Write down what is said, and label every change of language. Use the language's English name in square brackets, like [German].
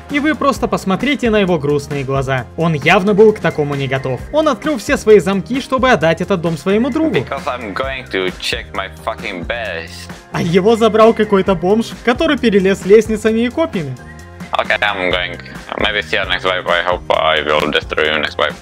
[Russian] И вы просто посмотрите на его грустные глаза. Он явно был к такому не готов. Он открыл все свои замки, чтобы отдать этот дом своему другу. [English] Because I'm going to check my fucking base. [Russian] А его забрал какой-то бомж, который перелез лестницами и копьями. [English] Okay, I'm going. Maybe see you next wave. I hope I will destroy you next wave.